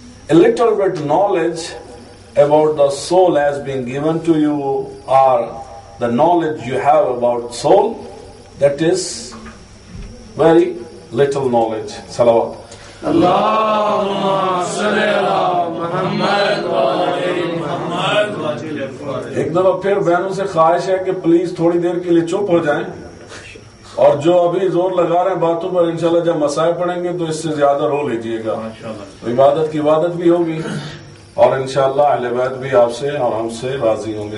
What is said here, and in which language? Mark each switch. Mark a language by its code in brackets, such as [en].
[en] A little bit knowledge about the soul has been given to you, or the knowledge you have about soul, that is very little knowledge. Salawat. [ar] اللهم صل على محمد وعلى محمد. [ur] ایک دفعہ پھر بہنوں سے خواہش ہے کہ پلیز تھوڑی دیر کے لیے چپ ہو جائیں، اور جو ابھی زور لگا رہے ہیں باتوں پر، انشاءاللہ جب مسائل پڑھیں گے تو اس سے زیادہ رو لیجئے گا، عبادت کی عبادت بھی ہوگی، اور انشاءاللہ اہل بیت بھی آپ سے اور ہم سے راضی ہوں گے.